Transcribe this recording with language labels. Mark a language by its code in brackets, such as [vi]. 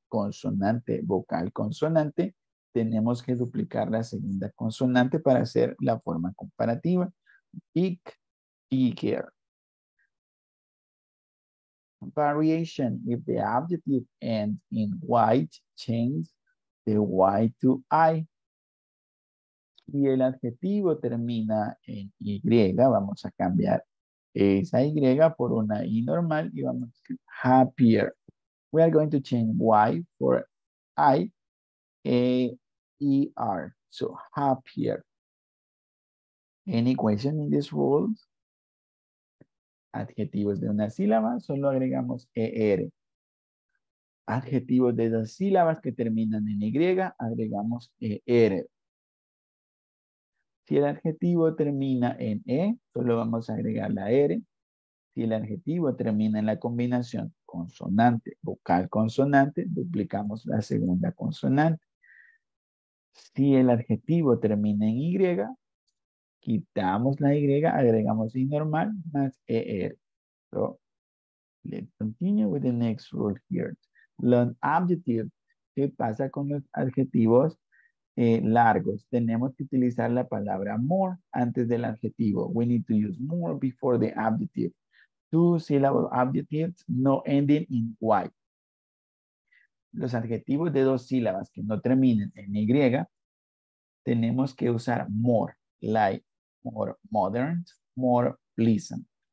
[es] consonante, vocal consonante, tenemos que duplicar la segunda consonante para hacer la forma comparativa. [en] Big, bigger. Variation, if the adjective ends in white, change the Y to I. [es] Y el adjetivo termina en Y, vamos a cambiar esa Y por una I normal y vamos a escribir happier. [en] We are going to change Y for I, A, E, R. So happier. Any question in this rule? [es] Adjetivos de una sílaba, solo agregamos ER. Adjetivos de dos sílabas que terminan en Y, agregamos ER. Si el adjetivo termina en E, solo vamos a agregar la R. Si el adjetivo termina en la combinación consonante, vocal consonante, duplicamos la segunda consonante. Si el adjetivo termina en Y, quitamos la Y, agregamos I normal más ER. [en] So, let's continue with the next rule here. Long adjective. [es] ¿Qué pasa con los adjetivos largos? Tenemos que utilizar la palabra more antes del adjetivo. [en] We need to use more before the adjective. Two-syllable adjectives no ending in Y. [es] Los adjetivos de dos sílabas que no terminen en Y, tenemos que usar more, [en] like more modern, more pleasant.